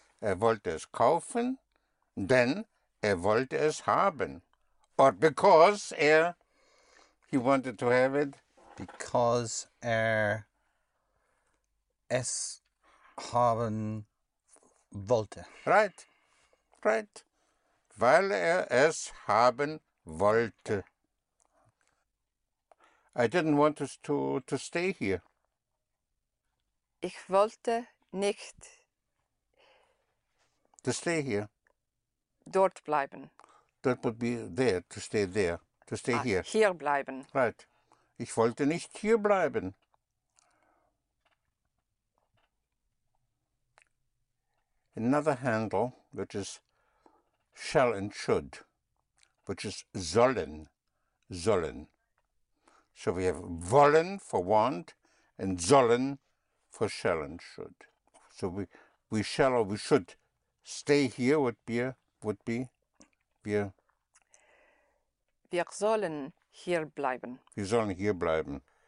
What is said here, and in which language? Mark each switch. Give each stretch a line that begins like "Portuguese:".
German: Er wollte es kaufen, denn er wollte es haben.
English: Or because er, he wanted to have it. Because
German: er es haben wollte.
English: Right. Right.
German: Weil er es haben wollte.
English: I didn't want us to stay here.
German: Ich wollte nicht.
English: To stay here.
German: Dort bleiben.
English: That would be there, to stay there. To stay here.
German: Hier bleiben.
English: Right.
German: Ich wollte nicht hier bleiben.
English: Another handle, which is shall and should, which is sollen, sollen. So we have wollen for want and sollen for shall and should. So we shall or we should stay here would be wir.
German: Wir sollen hier bleiben. Wir sollen hier bleiben.